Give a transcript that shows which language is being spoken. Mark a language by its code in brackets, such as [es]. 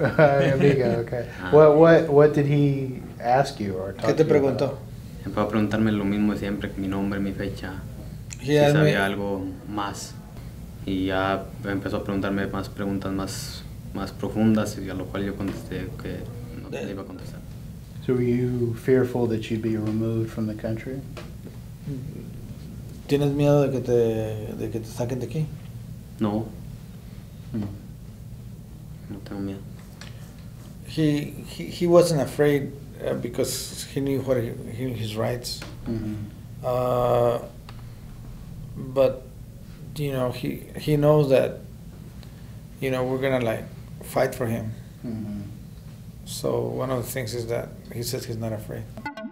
[en] Amigo, okay. What did he ask you or talk? [es] ¿Qué te preguntó? Empezó a preguntarme lo mismo de siempre, mi nombre, mi fecha. Si sabía algo más. Y ya empezó a preguntarme más preguntas más profundas, y a lo cual yo contesté que no le iba a contestar. [en] So were you fearful that you'd be removed from the country? [es] ¿Tienes miedo de que te saquen de aquí? No. No tengo miedo. [en] He wasn't afraid because he knew what his rights. Mm-hmm. But you know, he knows that, you know, we're gonna like fight for him. Mm-hmm. So one of the things is that he says he's not afraid.